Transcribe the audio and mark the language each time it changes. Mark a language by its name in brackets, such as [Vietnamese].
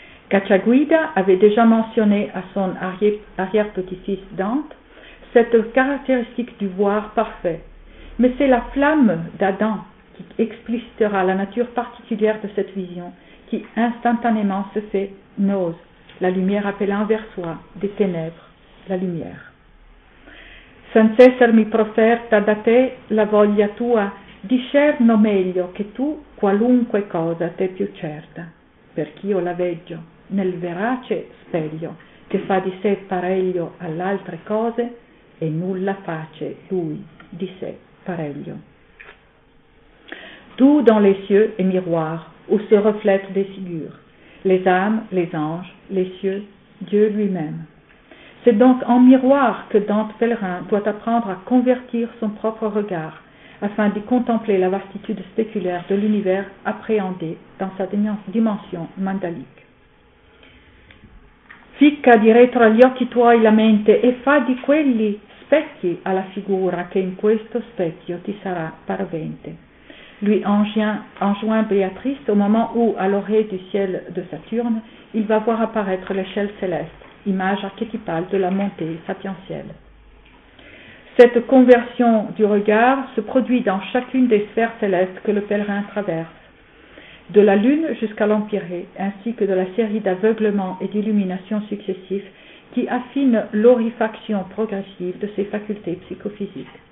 [French] Cacciaguida avait déjà mentionné à son arrière-petit-fils Dante cette caractéristique du voir parfait. Mais c'est la flamme d'Adam qui explicitera la nature particulière de cette vision qui instantanément se fait nos, la lumière appelant vers soi des ténèbres, la lumière. [Italian] Sans essermi proferta da te la voglia tua, discerno meglio che tu qualunque cosa te più certa, perch'io la veggio nel verace speglio che fa di sé pareglio all'altre cose e nulla face lui di sé. Pareglio. [French] Tout dans les cieux est miroir où se reflètent des figures, les âmes, les anges, les cieux, Dieu lui-même. C'est donc en miroir que Dante pèlerin doit apprendre à convertir son propre regard afin d'y contempler la vastitude spéculaire de l'univers appréhendé dans sa dimension mandalique. [Italian] Ficca diretro agli occhi tuoi la mente e fa di quelli specchi alla figura che in questo specchio ti sarà parvente. [French] Lui enjoint Béatrice au moment où, à l'orée du ciel de Saturne, il va voir apparaître l'échelle céleste, image archétypale de la montée sapientielle. Cette conversion du regard se produit dans chacune des sphères célestes que le pèlerin traverse, de la lune jusqu'à l'Empyrée, ainsi que de la série d'aveuglements et d'illuminations successifs qui affinent l'orifaction progressive de ses facultés psychophysiques.